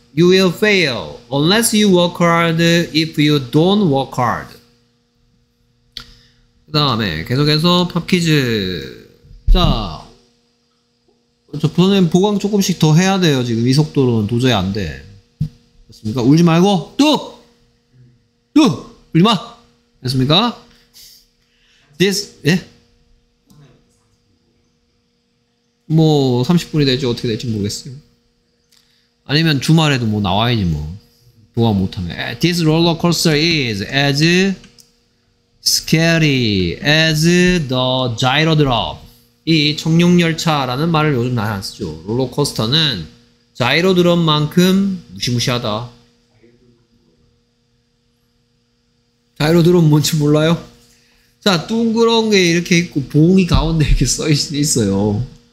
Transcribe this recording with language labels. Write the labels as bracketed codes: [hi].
[en] You will fail unless you work hard if you don't work hard. [ko] 그 다음에 계속해서 팝퀴즈. 자, 저 선생님 보강 조금씩 더 해야 돼요. 지금 이 속도로는 도저히 안 돼. 됐습니까? 울지 말고 뚝! 뚝! 울지 마! 됐습니까? This, 예? 뭐 30분이 될지 어떻게 될지 모르겠어요. 아니면 주말에도 뭐 나와야지 뭐. 보아 못하면 [en] This roller coaster is as scary as the gyro drop. [ko] 이 청룡열차라는 말을 요즘 많이 안 쓰죠. 롤러코스터는 gyro drop만큼 무시무시하다. gyro drop 뭔지 몰라요? 자, 둥그런 게 이렇게 있고 봉이 가운데 이렇게 써 있어요.